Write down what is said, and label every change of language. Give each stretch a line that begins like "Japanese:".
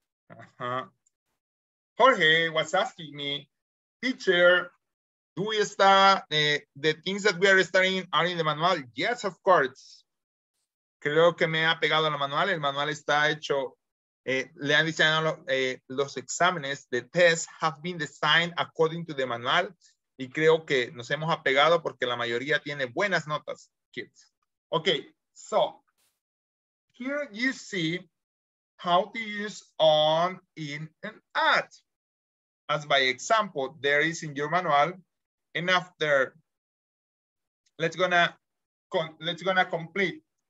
English: Uh-huh. Jorge was asking me, teacher, do we start the things that we are studying are in the manual? Yes, of course.
Spanish: Creo que me ha pegado el manual. El manual está hecho. Le han diseñado los exámenes.
English: The tests have been designed according to the manual.
Spanish: Y creo que nos hemos apegado porque la mayoría tiene buenas notas, kids.
English: Okay, so here you see how to use on, in, and at. As by example, there is in your manual. And after, let's gonna complete.